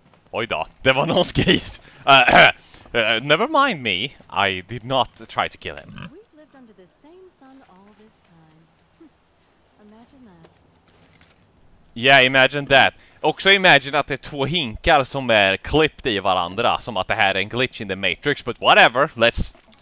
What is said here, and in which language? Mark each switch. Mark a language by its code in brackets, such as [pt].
[sv] Oj då, det var någons gris! [en] Never mind me, I did not try to kill him. We've lived under the same sun all this time. Imagine that. Yeah, imagine that. [sv] Också [en] imagine [sv] att det är två hinkar som är klippt i varandra, som att det här är en [en] glitch in the Matrix, but whatever, let's...